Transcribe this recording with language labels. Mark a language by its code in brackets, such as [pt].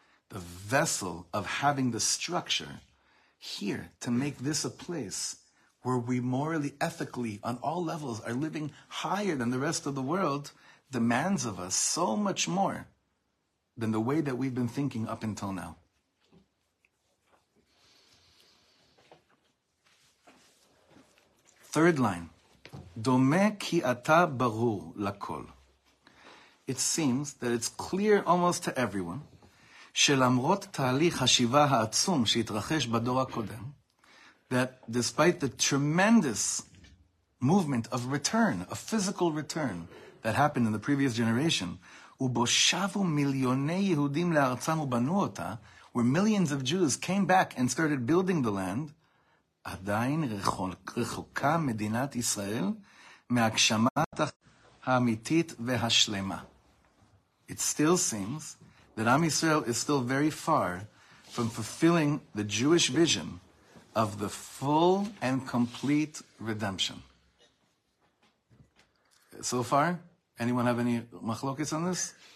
[en] The vessel of having the structure here to make this a place where we morally, ethically, on all levels, are living higher than the rest of the world, demands of us so much more than the way that we've been thinking up until now. Third line. [he] Dome ki ata barur lakol. [en] It seems that it's clear almost to everyone [he] שלמרות תהליך השיבה העצום שהתרחש בדור הקודם, [en] that despite the tremendous movement of return, a physical return that happened in the previous generation, [he] ובו שבו מיליוני יהודים לארצם ובנו אותה, [en] where millions of Jews came back and started building the land, [he] עדיין רחוקה מדינת ישראל מהגשמת האמיתית והשלמה. [en] It still seems that Am Yisrael is still very far from fulfilling the Jewish vision of the full and complete redemption. So far, anyone have any machlokes on this?